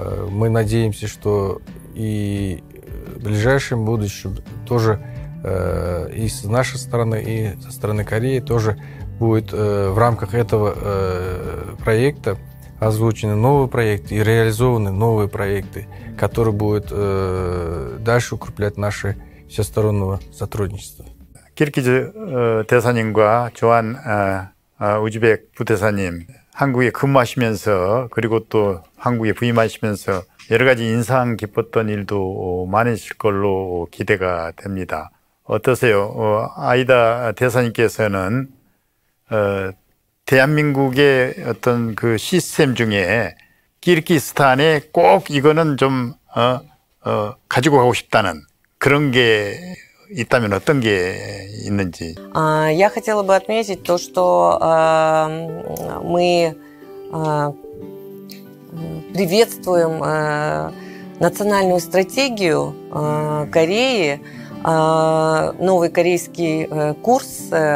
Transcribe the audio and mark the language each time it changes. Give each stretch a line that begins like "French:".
Russian: Мы надеемся, что и в ближайшем будущем тоже и с нашей стороны, и со стороны Кореи тоже будет в рамках этого проекта озвучены новые проекты и реализованы новые проекты, которые будут дальше укреплять наше всестороннее сотрудничество.
Korean: Киргизи Десаним과 조한 우즈벡 부대사님 한국에 근무하시면서 그리고 또 한국에 부임하시면서 여러 가지 인상 깊었던 일도 많으실 걸로 기대가 됩니다. 어떠세요? 아이다 대사님께서는 대한민국의 어떤 그 시스템 중에 키르기스탄에 꼭 이거는 좀 가지고 가고 싶다는 그런 게 있다면 어떤 게 있는지.
Russian: Я хотела бы отметить то, что мы приветствуем национальную стратегию Кореи, новый корейский курс.